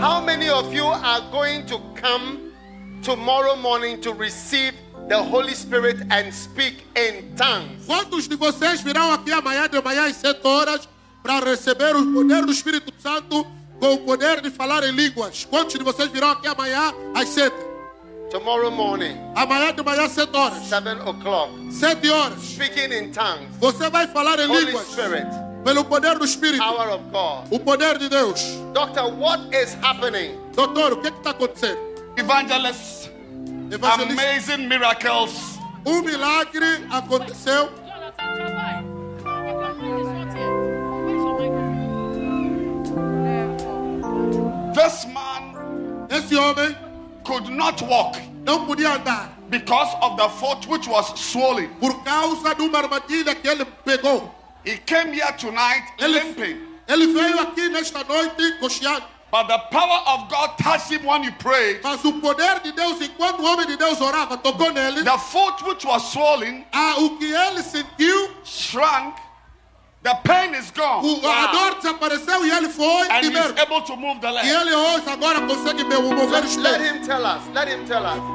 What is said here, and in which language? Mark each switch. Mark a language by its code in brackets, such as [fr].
[en] How many of you are going to come tomorrow morning to receive the Holy Spirit and speak in tongues? [pt] Quantos de vocês virão aqui amanhã de manhã às 7 horas para receber o poder do Espírito Santo com o poder de falar em línguas? Quantos de vocês virão aqui amanhã às 7? [en] Tomorrow morning. [pt] Amanhã de manhã, 7 horas. [en] 7 o'clock. [pt] 7 horas. [en] Speaking in tongues. [pt] Você vai falar em línguas. [en] Holy Spirit. [pt] Pelo poder do Espírito. [en] Power of God. [pt] O poder de Deus. [en] Doctor, what is happening? [pt] Doutor, o que está acontecendo? [en] Evangelist. Amazing miracles. [pt] Milagre aconteceu. [en] This man. [pt] Esse homem. [en] Could not walk. [pt] Não podia andar. [en] Because of the foot which was swollen. [pt] Por causa de uma armadilha que ele pegou. [en] He came here tonight limping. [pt] Ele veio aqui nesta noite coxeando. [en] But the power of God touched him when he prayed. [pt] Mas o poder de Deus, enquanto o homem de Deus orava, tocou nele. [en] The foot which was swollen. [pt] O que ele sentiu. [en] Shrunk. The pain is gone. [pt] A dor desapareceu e ele foi [en] and [pt] primeiro. [en] He's able to move the leg. [pt] E ele hoje agora consegue mover os pés. [en] Let him tell us. Let him tell us.